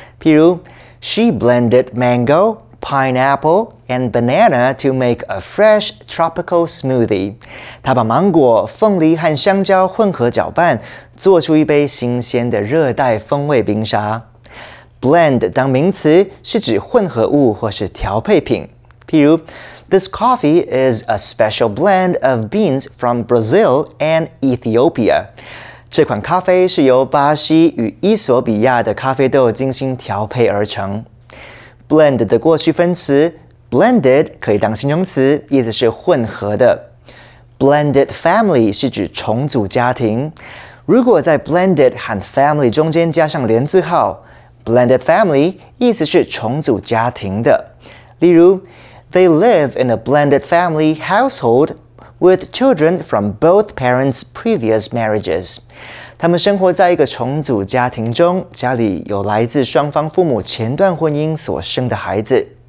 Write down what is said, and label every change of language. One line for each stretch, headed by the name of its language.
Chinese: 譬如
English: ，She blended mango, pineapple, and banana to make a fresh tropical smoothie.
Chinese: 她把芒果、凤梨和香蕉混合搅拌，做出一杯新鲜的热带风味冰沙。 Blend 当名词是指混合物或是调配品。譬如
English: ，This coffee is a special blend of beans from Brazil and Ethiopia.
Chinese: 这款咖啡是由巴西与伊索比亚的咖啡豆精心调配而成。 Blend 的过去分词 blended 可以当形容词，意思是混合的。 Blended family 是指重组家庭。如果在 blended 和 family 中间加上连字号 ，blended family 意思是重组家庭的。例如。
English: They live in a blended family household with children from both parents' previous marriages.
Chinese: 他们生活在一个重组家庭中，家里有来自双方父母前段婚姻所生的孩子。